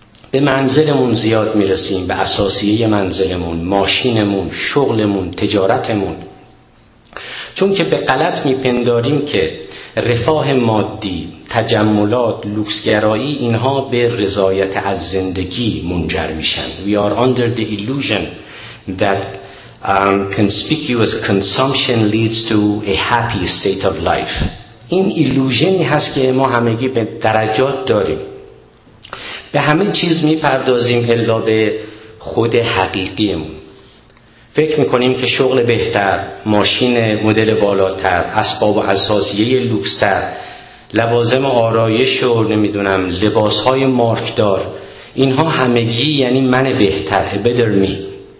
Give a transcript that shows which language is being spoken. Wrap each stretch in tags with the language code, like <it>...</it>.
<fa>به منزلمون زیاد میرسیم، به اساسیه منزلمون، ماشینمون، شغلمون، تجارتمون. چون که به غلط میپنداریم که رفاه مادی، تجملات، لوکسگرایی اینها به رضایت از زندگی منجر میشن.</fa> <en>We are under the illusion that conspicuous consumption leads to a happy state of life.</en> <fa>این ایلوژنی هست که ما همگی به درجات داریم، به همه چیز میپردازیم الا به خود حقیقیمون. فکر میکنیم که شغل بهتر، ماشین مدل بالاتر، اسباب و اساسیه لوکستر، لوازم آرایش و نمیدونم لباسهای مارکدار، اینها همگی یعنی من بهتر،</fa> <en>better me.</en>